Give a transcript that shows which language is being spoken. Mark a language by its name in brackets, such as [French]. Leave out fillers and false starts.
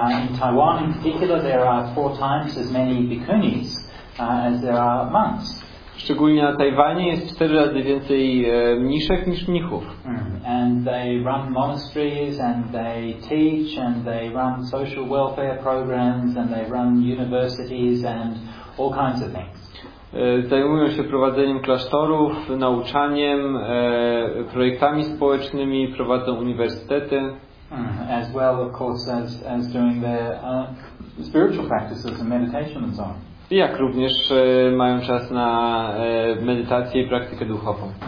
[English] In Taiwan, in particular, there are four times as many bikunis as there are monks. [Polish] Szczególnie na Tajwanie jest 4 razy więcej mniszek niż mnichów. [English] And they run monasteries and they teach and they run social welfare programs and they run universities and all kinds of things. [Polish] Zajmują się prowadzeniem klasztorów, nauczaniem, projektami społecznymi, prowadzą uniwersytety. [English] As well, of course, as doing their spiritual practices and meditation and so on. [Polish] Jak również mają czas na medytację i praktykę duchową.